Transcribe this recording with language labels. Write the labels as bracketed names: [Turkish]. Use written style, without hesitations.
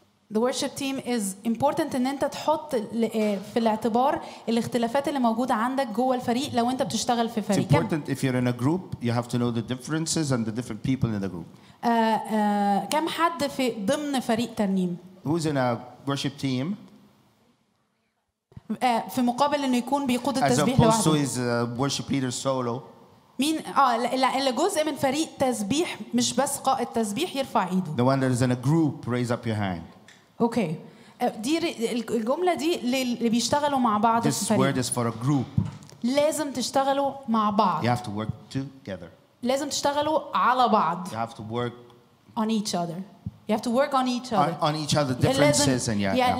[English] The worship team is important [Arabic] ان انت تحط في الاعتبار الاختلافات اللي موجوده عندك جوه الفريق لو انت بتشتغل في فريق [English] It's important if you're in a group you have to know the differences and the different people in the group. [Arabic] كم حد في ضمن فريق ترنيم [English] Who's in a worship team? [Arabic] في مقابل انه يكون بيقود التسبيح [English] لوحده. As opposed to his worship leader solo. [Arabic] مين اللي جزء من فريق تسبيح مش بس قائد تسبيح يرفع ايده. [English] The one that is in a group, raise up your hand. Okay. [Arabic] دي الجملة دي اللي بيشتغلوا مع بعض في الفريق. [English] This word is for a group. [Arabic] لازم تشتغلوا مع بعض. [English] You have to work together. [Arabic] لازم تشتغلوا على بعض. [English] You have to work on each other. You have to work on each other. On each other differences and yeah.